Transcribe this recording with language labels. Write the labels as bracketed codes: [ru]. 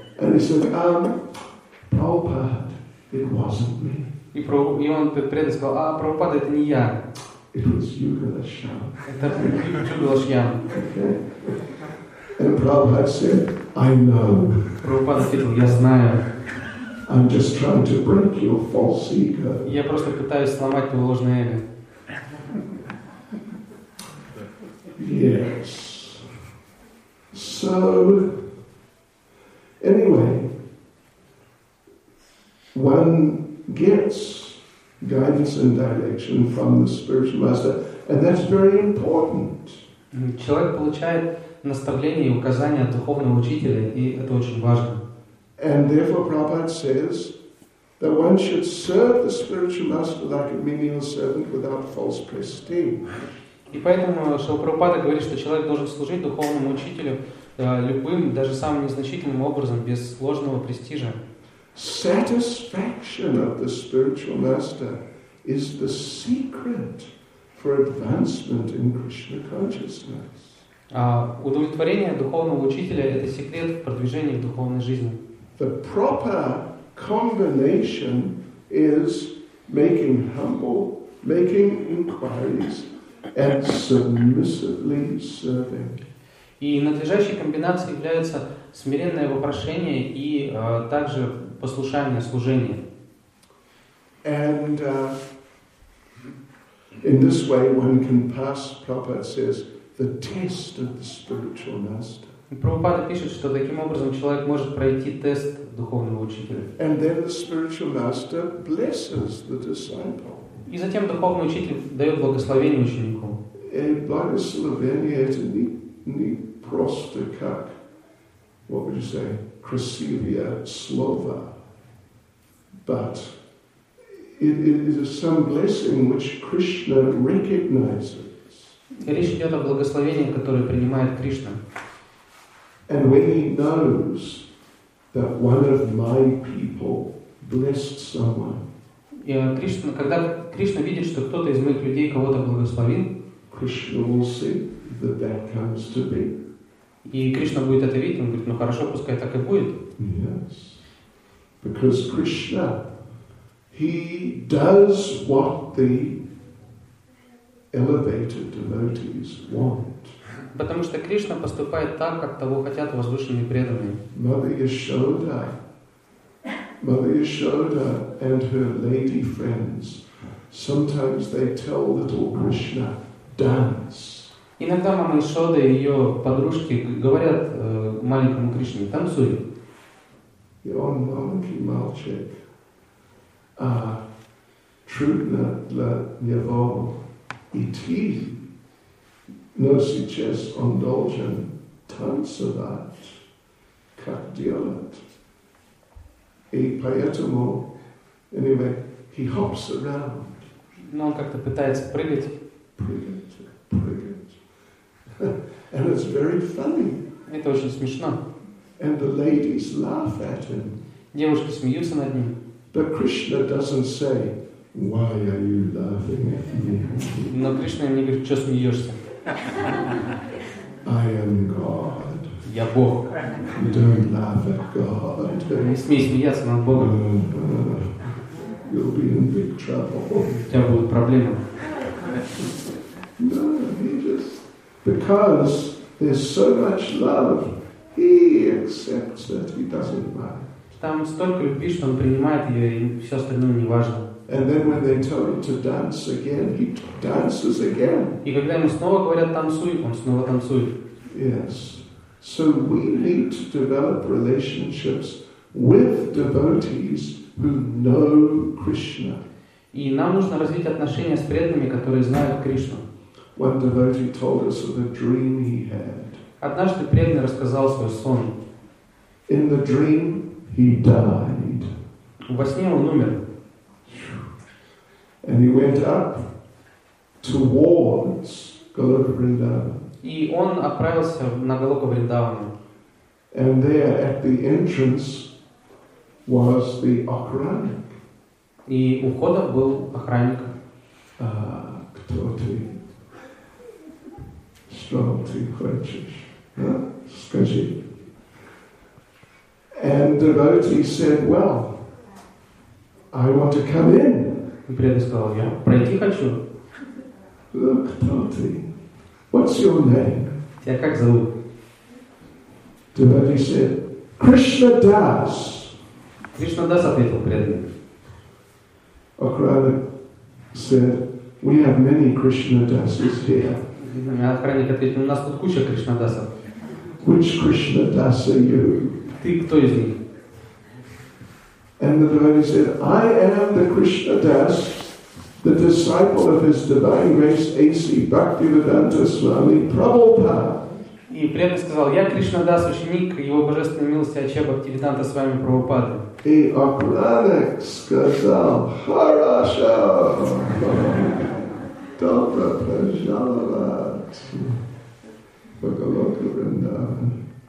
[en] And he said, Prabhupada, it wasn't me. [ru] И он предан сказал, а Прабхупада, это не я. [en] It was Yugalashyam. [ru] Это Yugalashyam. [en] Okay. And Prabhupada said, I know. [ru] Прабхупада ответил, я знаю. [en] I'm just trying to break your false ego. [ru] Я просто пытаюсь сломать твое ложное эго. [en] Yes. So, anyway, one gets guidance and direction from the spiritual master, and that's very important. [ru] Человек получает наставление и указания от духовного учителя, и это очень важно. [en] And therefore, Prabhupada says that one should serve the spiritual master like a menial servant without false prestige. [ru] И поэтому Шрила Прабхупада говорит, что человек должен служить духовному учителю любым, даже самым незначительным образом, без ложного престижа. [en] Satisfaction of the spiritual master is the secret for advancement in Krishna consciousness. [ru] Удовлетворение духовного учителя – это секрет в продвижении в духовной жизни. [en] The proper combination is making humble, making inquiries, and submissively serving. [ru] И надлежащей комбинацией является смиренное вопрошение и также послушание, служение. [en] And in this way one can pass, Prabhupada says, the test of the spiritual master. [ru] Прабхупада пишет, что таким образом человек может пройти тест духовного учителя. [en] And then the spiritual master blesses the disciple. [ru] И затем духовный учитель дает благословение ученику. Благословение – это не просто как, [en] what would you say, [ru] красивое слово, [en] but it is some blessing which Krishna recognizes. [ru] Речь идет о благословении, которое принимает Кришна. [en] And when he knows that one of my people blessed someone, [ru] и Кришна, когда Кришна видит, что кто-то из моих людей кого-то благословил, [en] that comes to be. [ru] И Кришна будет это видеть, он говорит, ну хорошо, пускай так и будет. [en] Yes. Because Krishna, he does what the elevated devotees want. [ru] Потому что Кришна поступает так, как того хотят возвышенные преданные. [en] Mother Yashoda and her lady friends, sometimes they tell little Krishna, dance. [ru] Иногда мама Ишода и ее подружки говорят маленькому Кришне, танцуй. Он маленький мальчик, а трудно для него идти, но сейчас он должен танцевать, как делать. И поэтому, [en] anyway, he hops around. [ru] Но он как-то пытается прыгать. [en] Brilliant, brilliant. And it's very funny. [ru] Это очень смешно. [en] And the ladies laugh at him. [ru] Девушки смеются над ним. [en] But Krishna doesn't say, why are you laughing at me? [ru] Но Кришна не говорит, что смеешься. [en] I am God. [ru] Я Бог. [en] Don't laugh at God. [ru] Не смей смеяться над Богом. [en] You'll be in big trouble. [ru] У тебя будут проблемы. [en] No, he just, because there's so much love, he accepts it. He doesn't mind. [ru] Там столько любви, что он принимает ее, и все остальное не важно. [en] And then when they tell him to dance again, he dances again. [ru] И когда ему снова говорят танцуй, он снова танцует. [en] Yes. So we need to develop relationships with devotees who know Krishna. [ru] И нам нужно развить отношения с преданными, которые знают Кришну. [en] One devotee told us of a dream he had. [ru] Однажды преданный рассказал свой сон. [en] In the dream, he died. [ru] Во сне он умер. [en] And he went up towards Goloka Vrindavan. [ru] И он отправился на Голоку Вриндавану. [en] And there at the entrance was the охранник. [ru] И у входа был охранник. Кто ты? Что ты хочешь? А? Скажи. [en] And the devotee said, well, I want to come in. [ru] И преданный сказал, я пройти хочу. [en] Look, Tati, what's your name? [ru] Тебя как зовут? [en] Devotee said, Krishna Das. [ru] Krishna Das ответил преданный. [en] Охранник said, we have many Krishna Dasas here. [ru] Охранник ответил, у нас тут куча Krishna Dasов. [en] Which Krishna Das are you? [ru] Ты кто из них? [en] And the devotee said, I am the Krishna Das, the disciple of His Divine Grace, A.C. Bhaktivedanta Swami Prabhupada. [ru] И преданный сказал, я Кришна Дас, ученик Его Божественной Милости Ача Бхактивиданта Свами Прабхупады. И охранник сказал, хорошо, добро пожаловать в Голоку Вриндаван.